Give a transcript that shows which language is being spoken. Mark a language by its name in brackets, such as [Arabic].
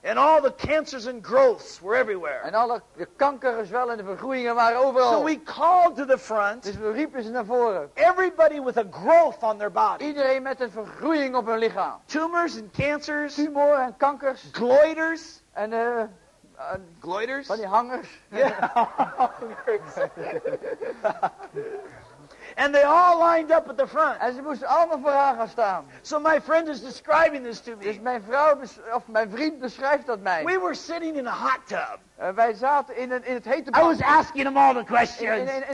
[English] And all the cancers and growths were everywhere. [Dutch] En alle de kankergezwellen en de vergroeien waren overal. [English] So we called to the front. [Dutch] Dus we riepen ze naar voren. [English] Everybody with a growth on their body. [Dutch] Iedereen met een vergroeiing op hun lichaam. [English] Tumors and cancers. [Dutch] Tumoren en kankers. [English] Goiters. [Dutch] En [English] Gloiters? [Dutch] Van die hangers. [English] Yeah. And they all lined up at the front. [Dutch] En ze moesten allemaal vooraan gaan staan. [English] So my friend is describing this to me. [Dutch] Dus mijn vriend beschrijft dat mij. [English] We were sitting in a hot tub. [Dutch] Wij zaten in het hete bad. [English] I was asking him all the questions.